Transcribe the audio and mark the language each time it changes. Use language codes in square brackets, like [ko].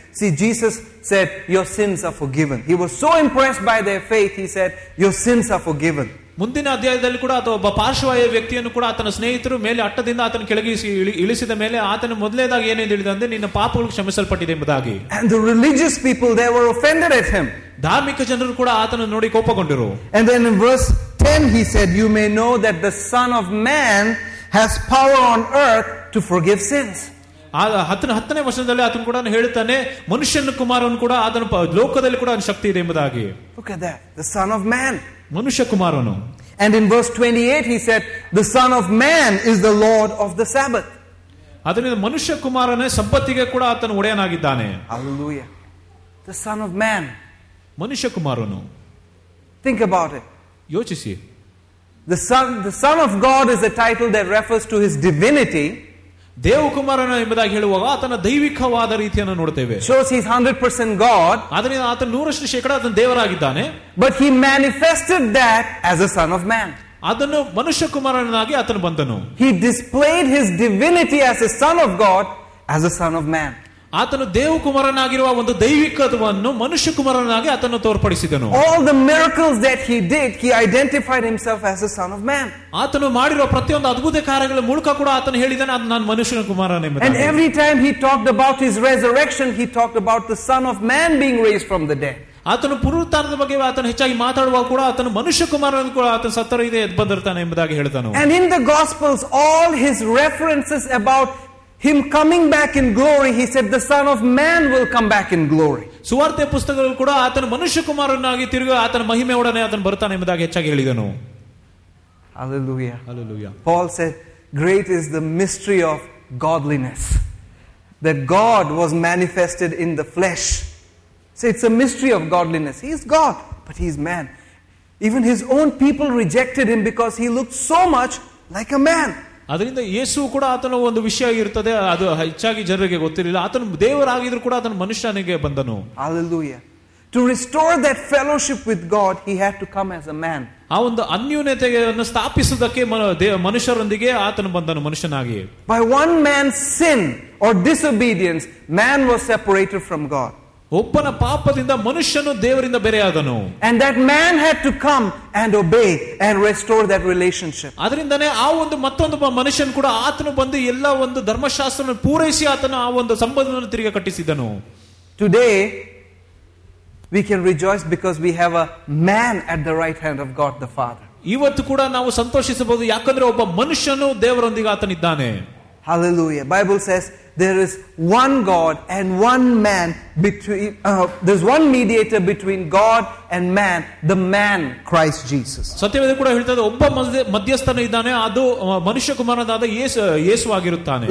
[en] See, Jesus said, "Your sins are forgiven." He was so impressed by their faith, he said, "Your sins are forgiven." [kn] ಮುಂದಿನ ಅಧ್ಯಾಯದಲ್ಲಿ ಕೂಡ ಅಥವಾ ಒಬ್ಬ ಪಾರ್ಶ್ವಾಯ ವ್ಯಕ್ತಿಯನ್ನು ಕೂಡ ಆತನ ಸ್ನೇಹಿತರು ಮೇಲೆ ಅಟ್ಟದಿಂದ ಆತನ ಕೆಳಗೆ ಇಳಿಸಿದ ಮೇಲೆ ಆತನ ಮೊದಲೇದಾಗಿ ಏನೇ ತಿಳಿದಂದ್ರೆ ನಿನ್ನ ಪಾಪಗಳು ಕ್ಷಮಿಸಲ್ಪಟ್ಟಿದೆ ಎಂಬುದಾಗಿ. [en] And the religious people, they were offended at him. [kn] ಧಾರ್ಮಿಕ ಜನರು ಕೂಡ ಆತನನ್ನು ನೋಡಿ ಕೋಪಗೊಂಡರು. [en] And then in verse 10 he said, "You may know that the Son of Man has power on earth to forgive sins." [kn] ಹತ್ತನೇ ವಚನದಲ್ಲಿ ಆತನು ಕೂಡ ಹೇಳುತ್ತಾನೆ ಮನುಷ್ಯನ ಕುಮಾರನು ಕೂಡ ಆತನ ಲೋಕದಲ್ಲಿ ಕೂಡ ಶಕ್ತಿ ಇದೆ ಎಂಬುದಾಗಿ. [en] Look at that, the Son of Man. [kn] ಮನುಷ್ಯ ಕುಮಾರನು. [en] And in verse 28 he said, "The Son of Man is the Lord of the Sabbath." [kn] ಅದರಿಂದ ಮನುಷ್ಯ ಕುಮಾರನೇ ಸಂಪತ್ತಿಗೆ ಕೂಡ ಆತನು ಒಡೆಯನಾಗಿದ್ದಾನೆ. [en] Hallelujah. The Son of Man. [kn] ಮನುಷ್ಯ ಕುಮಾರನು. [en] Think about it. [kn] ಯೋಚಿಸಿ. [en] The son of God is a title that refers to his divinity. [kn] ದೇವಕುಮಾರನ ಎಂಬುದಾಗಿ ಹೇಳುವಾಗ ಆತನ ದೈವಿಕವಾದ ರೀತಿಯನ್ನು ನೋಡುತ್ತೇವೆ. [en] Shows he is 100% God. [kn] ಆದರೆ ಆತನ 100% ಆತನ ದೇವರಾಗಿದ್ದಾನೆ. [en] But he manifested that as a Son of Man. [kn] ಅದನ್ನು ಮನುಷ್ಯ ಕುಮಾರನಾಗಿ ಆತನು ಬಂದನು. [en] He displayed his divinity as a Son of God, as a Son of Man. [kn] ಆತನು ದೇವಕುಮಾರನಾಗಿರುವ ಒಂದು ದೈವಿಕತ್ವವನ್ನು ಮನುಷ್ಯ ಕುಮಾರನಾಗಿ ಆತನು ತೋರ್ಪಡಿಸಿದನು. [en] All the miracles that he did, he identified himself as a Son of Man. [kn] ಆತನು ಮಾಡಿರುವ ಪ್ರತಿಯೊಂದು ಅದ್ಭುತ ಕಾರ್ಯಗಳ ಮೂಲಕ ಕೂಡ ಆತನು ಹೇಳಿದನು, ಅದು ನಾನು ಮನುಷ್ಯನ ಕುಮಾರನೇ ಎಂಬುದಾಗಿ. [en] And every time he talked about his resurrection, he talked about the Son of Man being raised from the dead. [kn] ಆತನು ಪುನರುತ್ಥಾನದ ಬಗ್ಗೆ ಆತನು ಹೆಚ್ಚಾಗಿ ಮಾತಾಡುವಾಗ ಕೂಡ ಆತನು ಮನುಷ್ಯ ಕುಮಾರನನ್ನು ಕೂಡ ಆತನ ಸತ್ತರಿದೆ ಎದ್ದು ಬಂದಿರ್ತಾನೆ ಎಂಬುದಾಗಿ ಹೇಳಿದನು. [en] And in the Gospels, all his references about him coming back in glory, he said, "The Son of Man will come back in glory." [kn] ಸುವಾರ್ತೆ ಪುಸ್ತಕಗಳು ಕೂಡ ಆತನು ಮನುಷ್ಯ ಕುಮಾರನಾಗಿ ತಿರುಗಿ ಆತನ ಮಹಿಮೆ ಒಡನೆ ಆತನು ಬರ್ತಾನೆ ಎಂಬುದಾಗಿ ಹೆಚ್ಚಾಗಿ ಹೇಳಿದನು. [en] Hallelujah. Hallelujah. Paul said, "Great is the mystery of godliness, that God was manifested in the flesh." So it's a mystery of godliness. He is God, but he is man. Even his own people rejected him because he looked so much like a man. [kn] ಅದರಿಂದ ಯೇಸು ಕೂಡ ಆತನ ಒಂದು ವಿಷಯ ಆಗಿರುತ್ತದೆ, ಅದು ಹೆಚ್ಚಾಗಿ ಜನರಿಗೆ ಗೊತ್ತಿರಲಿಲ್ಲ. ಆತನು ದೇವರಾಗಿದ್ರು ಕೂಡ ಆತನು ಮನುಷ್ಯನಿಗೆ ಬಂದನು. [en] Hallelujah. To restore that fellowship with God, he had to come as a man. [kn] ಆ ಒಂದು ಅನ್ಯೂನತೆಯನ್ನು ಸ್ಥಾಪಿಸುವುದಕ್ಕೆ ಮನುಷ್ಯರೊಂದಿಗೆ ಆತನು ಬಂದನು ಮನುಷ್ಯನಾಗಿ. [en] By one man's sin or disobedience, man was separated from God. [kn] ಒಬ್ಬನ ಪಾಪದಿಂದ ಮನುಷ್ಯನು ದೇವರಿಂದ ಬೇರೆಯಾದನು. [en] And that man had to come and obey and restore that relationship. [kn] ಅದರಿಂದನೇ ಆ ಒಂದು ಮತ್ತೊಂದು ಮನುಷ್ಯನು ಕೂಡ ಆತನು ಬಂದು ಎಲ್ಲ ಒಂದು ಧರ್ಮಶಾಸ್ತ್ರವನ್ನು ಪೂರೈಸಿ ಆತನ ಆ ಒಂದು ಸಂಬಂಧವನ್ನು ತಿರುಗಿ ಕಟ್ಟಿಸಿದನು. [en] Today we can rejoice because we have a man at the right hand of God the Father. [kn] ಇವತ್ತು ಕೂಡ ನಾವು ಸಂತೋಷಿಸಬಹುದು, ಯಾಕಂದ್ರೆ ಒಬ್ಬ ಮನುಷ್ಯನು ದೇವರೊಂದಿಗೆ ಆತನಿದ್ದಾನೆ. [en] Hallelujah. Bible says there is one God and one man there's one mediator between God and man, the man Christ Jesus. [kn] ಸತ್ಯವೇದ ಕೂಡ ಹೇಳ್ತದೆ ಒಬ್ಬ ಮಧ್ಯಸ್ಥನ ಇದ್ದಾನೆ, ಅದು ಮನುಷ್ಯ ಕುಮಾರನಾದ ಯೇಸು ಆಗಿರುತ್ತಾನೆ.